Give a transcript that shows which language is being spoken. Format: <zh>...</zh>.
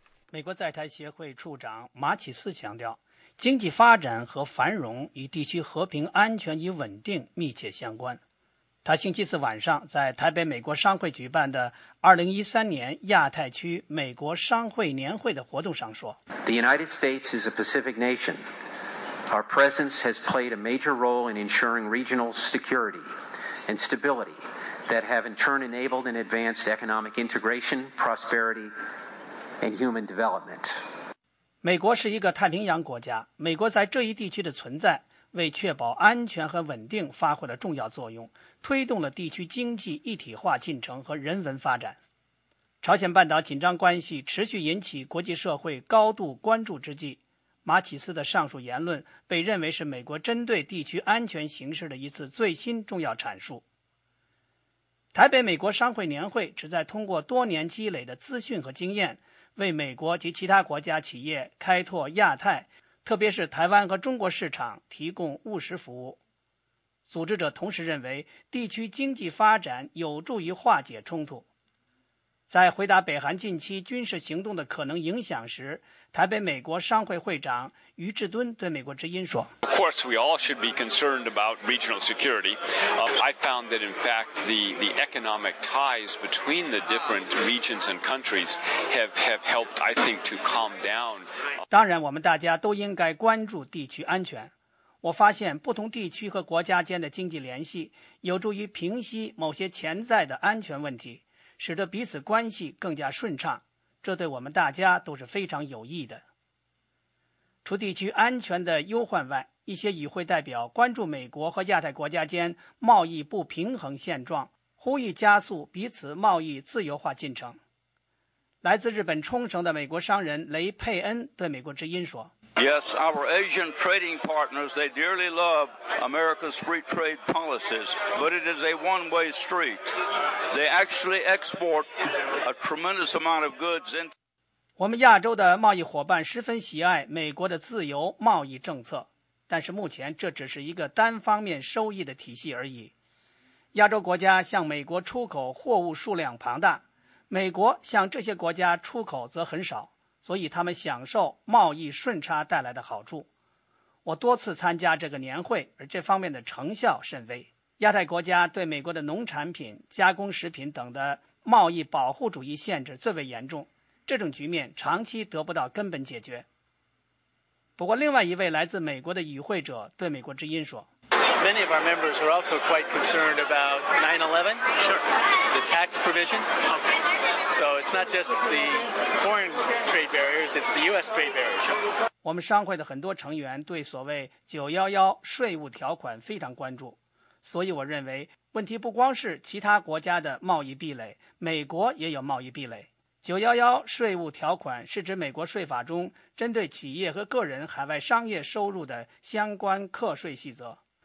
<zh>美国在台协会处长马启斯强调，经济发展和繁荣与地区和平安全与稳定密切相关。他星期四晚上在台北美国商会举办的2013年亚太区美国商会年会的活动上说，</zh> <en>The United States is a Pacific nation. Our presence has played a major role in ensuring regional security and stability that have in turn enabled and advanced economic integration, prosperity, and human development.</en> <zh>美国是一个太平洋国家，美国在这一地区的存在为确保安全和稳定发挥了重要作用，推动了地区经济一体化进程和人文发展。朝鲜半岛紧张关系持续引起国际社会高度关注之际，马启斯的上述言论被认为是美国针对地区安全形势的一次最新重要阐述。台北美国商会年会旨在通过多年积累的资讯和经验，为美国及其他国家企业开拓亚太，特别是台湾和中国市场提供务实服务。组织者同时认为，地区经济发展有助于化解冲突。在回答北韩近期军事行动的可能影响时，台北美国商会会长于志敦对美国之音说，</zh> <en>Of course, we all should be concerned about regional security. I found that, in fact, the economic ties between the different regions and countries have helped, I think, to calm down.</en> <zh>当然，我们大家都应该关注地区安全。我发现不同地区和国家间的经济联系有助于平息某些潜在的安全问题，使得彼此关系更加顺畅，这对我们大家都是非常有益的。除地区安全的忧患外，一些与会代表关注美国和亚太国家间贸易不平衡现状，呼吁加速彼此贸易自由化进程。来自日本冲绳的美国商人雷佩恩对美国之音说，</zh> <en>Yes, our Asian trading partners, they dearly love America's free trade policies, but it is a one-way street. They actually export a tremendous amount of goods into</en> <zh>我们亚洲的贸易伙伴十分喜爱美国的自由贸易政策，但是目前这只是一个单方面收益的体系而已。亚洲国家向美国出口货物数量庞大，美国向这些国家出口则很少，所以他们享受贸易顺差带来的好处。我多次参加这个年会，而这方面的成效甚微。亚太国家对美国的农产品、加工食品等的贸易保护主义限制最为严重，这种局面长期得不到根本解决。不过另外一位来自美国的与会者对美国之音说，</zh> <en>Many of our members are also quite concerned about 9/11, sure. The tax provision. Okay. So it's not just the foreign trade barriers, it's the U.S. trade barriers.</en> <zh>我们商会的很多成员对所谓911税务条款非常关注，所以我认为问题不光是其他国家的贸易壁垒，美国也有贸易壁垒。 911税务条款是指美国税法中针对企业和个人海外商业收入的相关课税细则。</zh>